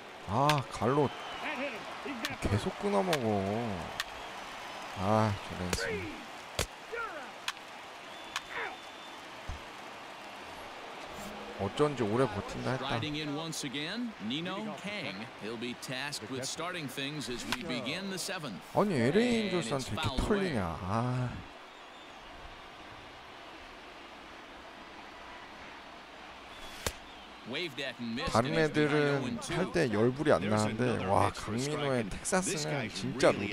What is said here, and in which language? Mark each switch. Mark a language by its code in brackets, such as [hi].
[ko] 아, 갈로 계속 끊어먹어. 아, 저 랜스. 어쩐지 오래 버틴다 했다. [en] Riding in once again, Nino Kang. He'll be tasked with starting things as we begin the seventh. [ko] 아니, LA 인조스한테 이렇게 털리냐. 아. 다른 애들은 할 때 열불이 안 나는데 와 강민호의 텍사스는 진짜